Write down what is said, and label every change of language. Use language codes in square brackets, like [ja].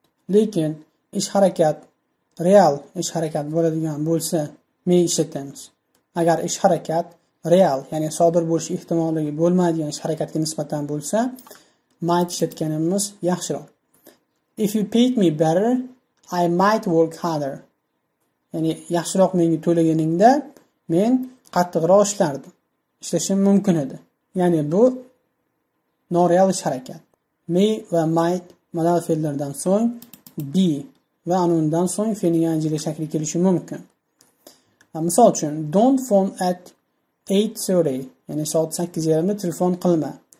[uz] Lekin ish harakat real ish harakat bo'ladigan bo'lsa, may ishlatamiz. Agar ish harakat real, ya'ni sodir bo'lish ehtimolligi bo'lmaydigan ish harakatga nisbatan bo'lsa, might ishlatganimiz yaxshiroq. [en] If you paid me better, I might work harder. [uz] Ya'ni yaxshiroq menga to'laganingda men qattiqroq ishlardim. Ishlashim mumkin edi. Ya'ni bu noreal ish harakat. May va might modal fe'llardan so'ng be va anundan so'ng fe'lning anjili shakli kelishi mumkin. Misol uchun, [en] don't phone at 8:30. [uz] Ya'ni soat 8:30 telefon qilma.